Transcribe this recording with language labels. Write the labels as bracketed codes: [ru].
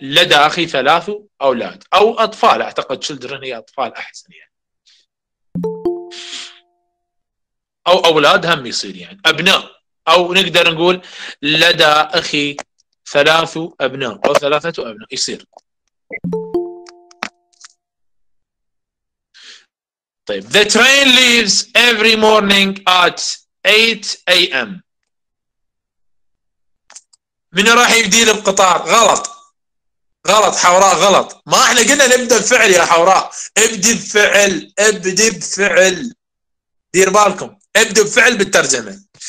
[ar] لدى أخي ثلاث أولاد أو أطفال، أعتقد children هي أطفال أحسن يعني، أو أولاد هم يصير يعني أبناء، أو نقدر نقول لدى أخي ثلاث أبناء أو ثلاثة أبناء يصير. [en] طيب The train leaves every morning at 8 a.m. [ar] من راح يبديل القطار؟ غلط غلط حوراء غلط، ما احنا قلنا نبدأ بفعل يا حوراء، ابدي بفعل ابدي بفعل، دير بالكم ابدأ بفعل بالترجمة.